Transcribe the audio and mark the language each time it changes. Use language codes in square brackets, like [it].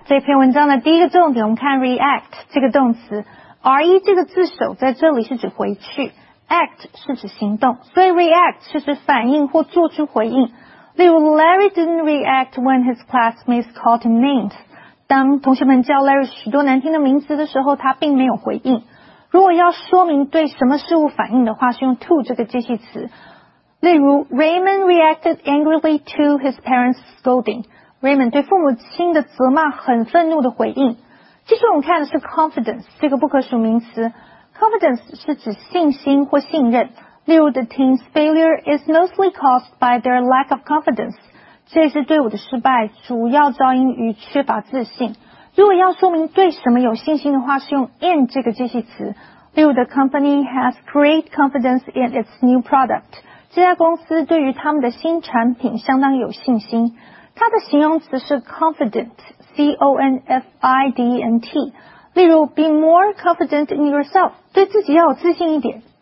[zh] 这篇文章的第一个重点，我们看 react 这个动词 ，re 这个字首在这里是指回去。 Act 是指行动，所以 react 是指反应或做出回应。例如 [en] ，Larry didn't react when his classmates called him names。 [zh] 当同学们叫 Larry 许多难听的名字的时候，他并没有回应。如果要说明对什么事物反应的话，是用 to 这个介系词。例如 [en] ，Raymond reacted angrily to his parents' scolding。 [zh] Raymond 对父母亲的责骂很愤怒的回应。其实我们看的是 confidence 这个不可数名词。 Confidence 是指信心或信任。例如 [en] ,the team's failure is mostly caused by their lack of confidence. [zh] 这支队伍的失败主要造因于缺乏自信。如果要说明对什么有信心的话，是用 in 这个介系词。例如 [en] ,the company has great confidence in its new product. [zh] 这家公司对于他们的新产品相当有信心。它的形容词是 confident, C-O-N-F-I-D-E-N-T。例如 , [en] be more confident in yourself, [zh] 对自己要有自信一点。